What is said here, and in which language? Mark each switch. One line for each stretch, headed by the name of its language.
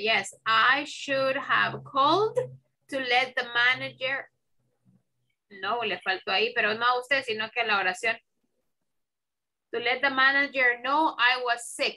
English: Yes, I should have called to let the manager.
Spanish: No, le faltó ahí, pero no a usted, sino que a la oración.
English: To let the manager know I was sick.